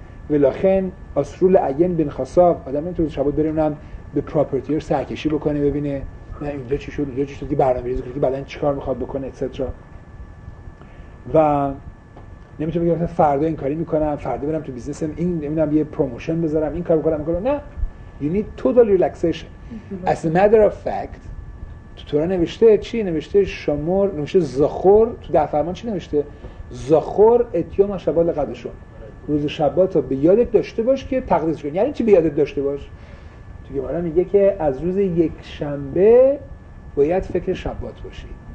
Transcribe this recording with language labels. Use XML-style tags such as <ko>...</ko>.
<he>ولاخن آسرول عین بن خصاب.</he> <fa>آدم نمیتونه شبات بره اونم به پراپرتی رو سرکشی بکنه ببینه نه اینجا چی شد، اینجا چی شد، که برنامه ریزی کنه که بعدا چیکار میخواد بکنه اتسترا. و نمیتونه بگه مثلا فردا این کاری میکنم، فردا برم تو بیزنسم، این نمیدونم یه پروموشن بذارم، این کارو بکنم، میکنم.</fa> <en>نه، you need total relaxation. As a matter of fact</en> <fa>تو تورا نوشته چی؟ نوشته شمور، نوشته زخور. تو ده فرمان چی نوشته؟</fa> <he>زخور اتیوم شبات قدشون.</he> <fa>روز شبات رو به یادت داشته باش که تقدیس کنی. یعنی چی به یادت داشته باش؟ تو گمارا میگه که از روز یک شنبه باید فکر شبات باشی.</fa>